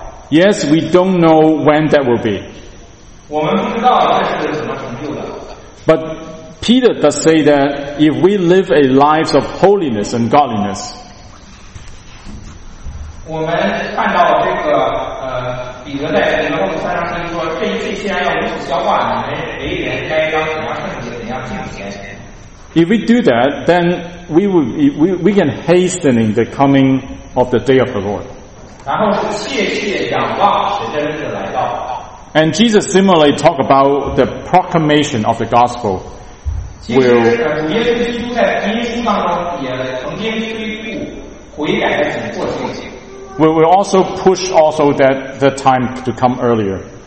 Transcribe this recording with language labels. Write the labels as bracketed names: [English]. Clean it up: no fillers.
[English] Yes, we don't know when that will be. [Chinese] 我们不知道这是怎么成就的。 [English] But Peter does say that if we live a life of holiness and godliness, [Chinese] 我们看到这个彼得在彼得后书三章十一说，这一切既然要如此消化，你们为人该当怎样圣洁，怎样敬虔。 [English] If we do that, then we can hastening the coming of the day of the Lord. [Chinese] 然后是切切仰望神的日子来到。 [English] And Jesus similarly talk about the proclamation of the gospel. [Chinese] 其实耶稣基督在福音书当中也曾经推出悔改的整个信息。 [English] We will also push also that the time to come earlier.